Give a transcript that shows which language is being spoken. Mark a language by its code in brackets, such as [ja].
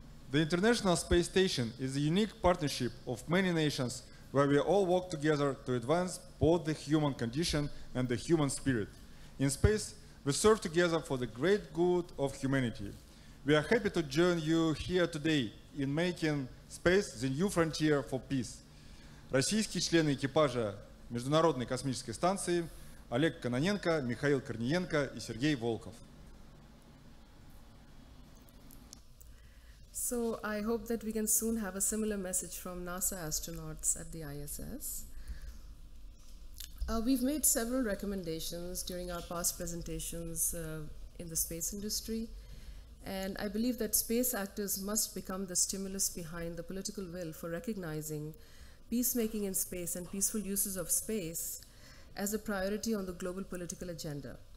[en] The International Space Station is a unique partnership of many nations where we all work together to advance both the human condition and the human spirit. In space, we serve together for the great good of humanity. We are happy to join you here today in making space the new frontier for peace. [ru] Российские члены экипажа Международной космической станции Олег Кононенко, Михаил Корниенко и Сергей Волков. [en] So I hope that we can soon have a similar message from NASA astronauts at the ISS. We've made several recommendations during our past presentations in the space industry, and I believe that space actors must become the stimulus behind the political will for recognizing peacemaking in space and peaceful uses of space as a priority on the global political agenda.